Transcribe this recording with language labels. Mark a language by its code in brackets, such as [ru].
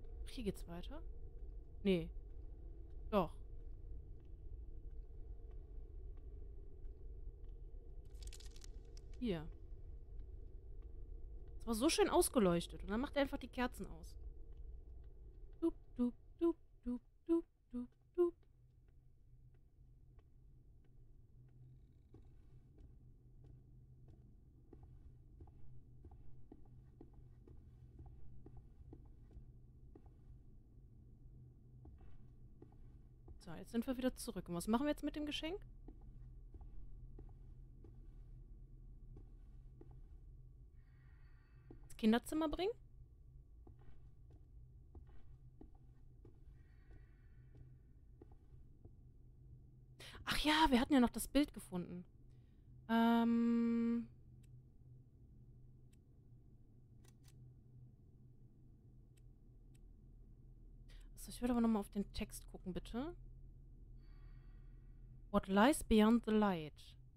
[de] Hier geht's weiter. Nee. Doch. Hier. Es war so schön ausgeleuchtet. Und dann macht er einfach die Kerzen aus. Dup, dup, dup, dup, dup, dup, dup. So, jetzt sind wir wieder zurück. Und was machen wir jetzt mit dem Geschenk? Das Kinderzimmer bringen? Ach ja, wir hatten ja noch das Bild gefunden. Also ich würde aber nochmal auf den Text gucken, bitte. [en] What lies beyond the light?